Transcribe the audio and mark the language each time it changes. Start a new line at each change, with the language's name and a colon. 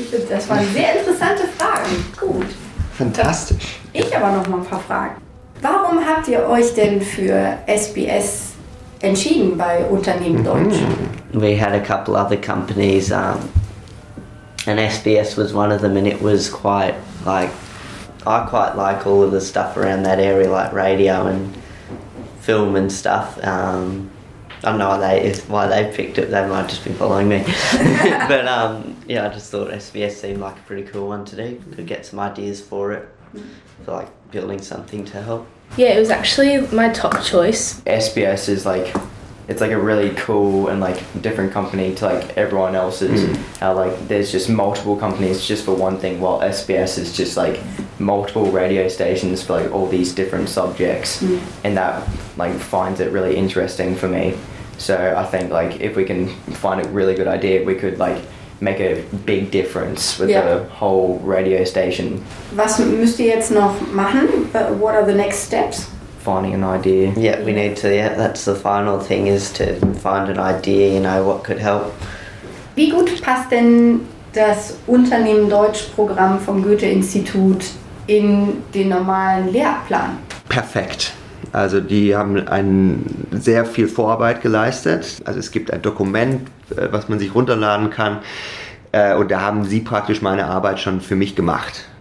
German: Das waren sehr interessante Fragen. Gut. Fantastisch. Ich aber noch mal ein paar Fragen. Warum habt ihr euch denn für SBS entschieden bei Unternehmen Deutsch?
English: We had a couple other companies, and SBS was one of them, and it was I quite like all of the stuff around that area, like radio and film and stuff. I don't know why they picked it. They might have just been following me. But yeah, I just thought SBS seemed like a pretty cool one to do. Could get some ideas for it, for like building something to help. Yeah, it was actually my top choice. SBS is like, it's like a really cool and like different company to like everyone else's. How like there's just multiple companies just for one thing, while SBS is just like multiple radio stations for like all these different subjects. And that like finds it really interesting for me. So I think like if we can find a really good idea, we could like make a big difference with the whole radio station.
German: Was müsst ihr jetzt noch machen?
English: What are the next steps? Finding an idea. Yeah, we need to, that's the final thing, is to find an idea, you know, what could help.
German: Wie gut passt denn das Unternehmen Deutsch Programm vom Goethe-Institut in den normalen Lehrplan? Perfekt. Also die haben sehr viel Vorarbeit geleistet. Also es gibt ein Dokument, was man sich runterladen kann. Und da haben sie praktisch meine Arbeit schon für mich gemacht.